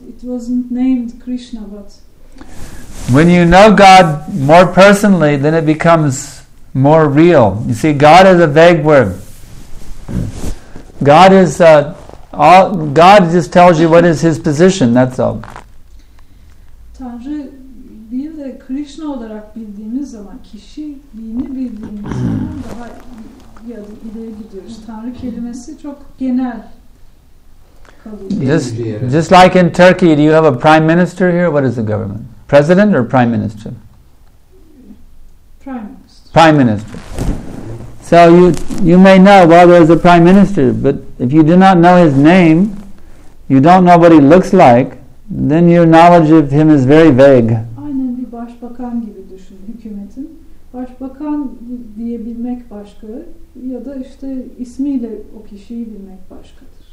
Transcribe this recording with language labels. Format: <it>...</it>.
<en>It wasn't named Krishna, but when you know God more personally, then it becomes more real. You see, God is a vague word. God is God just tells you what is his position, that's all.</en> <tr>Tanrı değil de Krishna olarak bildiğimiz zaman, kişiliğini bildiğimiz zaman daha ileri gidiyoruz. Tanrı kelimesi çok genel.</tr> <en>Just like in Turkey, do you have a prime minister here? What is the government? President or prime minister? Prime minister. Prime minister. So you may know, well, there's a prime minister, but if you do not know his name, you don't know what he looks like, then your knowledge of him is very vague.</en> <tr>Aynen bir başbakan gibi düşün hükümetin. Başbakan diyebilmek başka, ya da işte ismiyle o kişiyi bilmek başkadır.</tr>